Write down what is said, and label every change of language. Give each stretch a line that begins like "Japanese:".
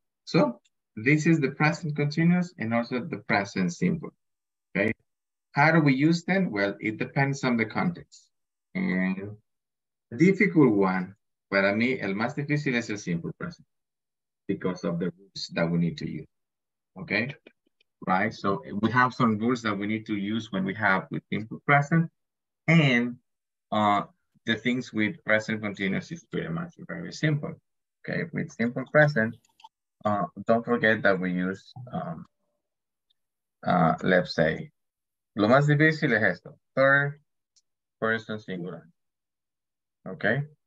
English: So, this is the present continuous and also the present simple. Okay. How do we use them? Well, it depends on the context. Difficult one,
Spanish: para mí, el más difícil es el simple present.
English: Because of the rules that we need to use, okay? Right, so we have some rules that we need to use when we have with simple present, and the things with present continuous is pretty much very simple, okay? With simple present, don't forget that we use, let's say,
Spanish: lo más difícil es esto,
English: third person singular, okay?